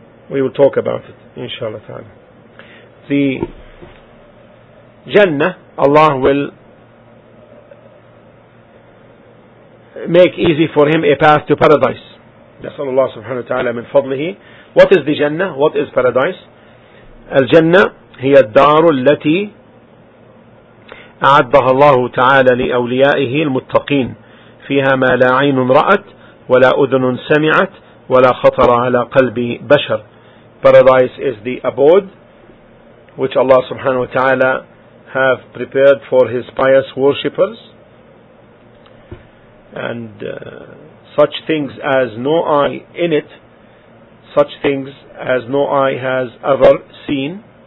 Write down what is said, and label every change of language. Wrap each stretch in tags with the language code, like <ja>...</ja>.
<en>We will talk about it, inshallah ta'ala. The Jannah, Allah will make easy for him a path to paradise.</en> <ar>نسأل الله سبحانه وتعالى من فضله.</ar> <en>What is the Jannah? What is paradise?</en> <ar>Al-Jannah هي الدار التي أعدها الله تعالى لأوليائه المتقين. فيها ما لا عين رأت ولا أذن سمعت ولا خطر على قلب بشر.</ar> <en>Paradise is the abode which Allah subhanahu wa ta'ala have prepared for his pious worshippers, and such things as no eye in it, such things as no eye has ever seen,</en>